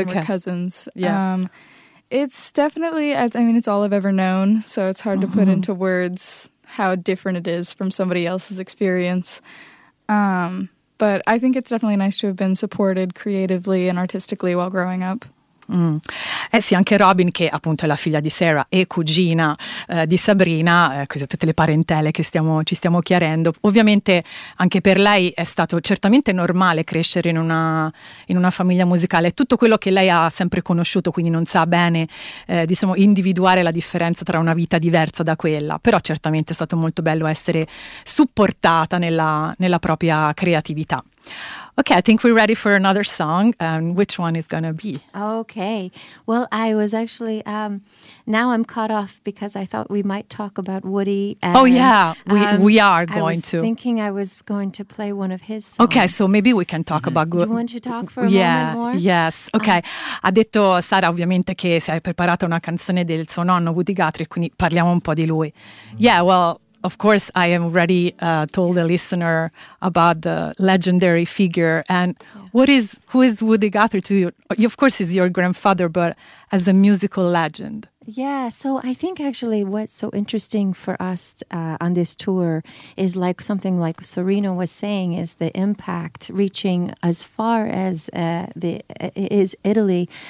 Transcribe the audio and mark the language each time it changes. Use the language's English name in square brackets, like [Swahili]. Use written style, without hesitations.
[English] Okay. We're cousins. Yeah. It's definitely, I mean, it's all I've ever known, so it's hard to put into words how different it is from somebody else's experience. But I think it's definitely nice to have been supported creatively and artistically while growing up. Mm. [Italian] Eh sì, anche Robin, che appunto è la figlia di Sarah e cugina di Sabrina, così tutte le parentele che ci stiamo chiarendo, ovviamente anche per lei è stato certamente normale crescere in una famiglia musicale, tutto quello che lei ha sempre conosciuto, quindi non sa bene individuare la differenza tra una vita diversa da quella, però certamente è stato molto bello essere supportata nella propria creatività. [English] Okay, I think we're ready for another song. Which one is going to be? Okay. Well, I was actually, now I'm cut off because I thought we might talk about Woody. And, oh, yeah, we are going to. I was thinking I was going to play one of his songs. Okay, so maybe we can talk about Woody. Do you want to talk for a moment more? Yes, okay. [Italian] Ha detto Sara, ovviamente, che si è preparata una canzone del suo nonno Woody Guthrie, quindi parliamo un po' di lui. [English] Yeah, well, of course, I am already told the listener about the legendary figure. And who is Woody Guthrie to you? Of course, he's your grandfather, but as a musical legend. Yeah, so I think actually what's so interesting for us on this tour is something Serena was saying, is the impact reaching as far as is Italy.